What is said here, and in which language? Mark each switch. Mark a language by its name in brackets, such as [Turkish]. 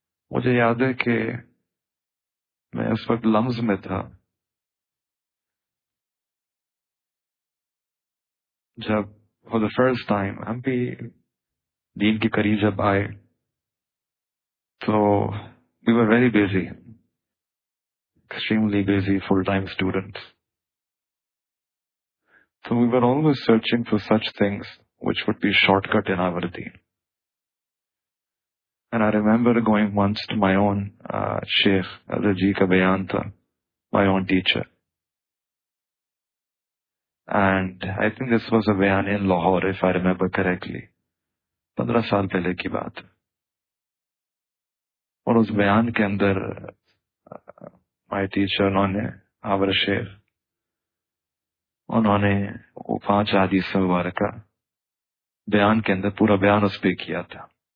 [Urdu] مجھے یاد ہے کہ میں اس وقت لمز میں تھا جب [English] for the first time [Urdu] ہم بھی دین کے قریب جب آئے, تو [English] We were very busy, extremely busy full-time students. So we were always searching for such things which would be shortcut in our deen. And I remember going once to my own sheikh, [Urdu] Adil Ji ka bayan tha, [English] my own teacher. And I think this was a bayan in Lahore, if I remember correctly. [Urdu] 15 saal pehle ki baat. Aur us bayan ke andar [English] my teacher [Urdu] انہوں نے آور شیخ انہوں نے وہ پانچ احادیث مبارکہ بیان کے اندر پورا بیان اس پہ کیا تھا.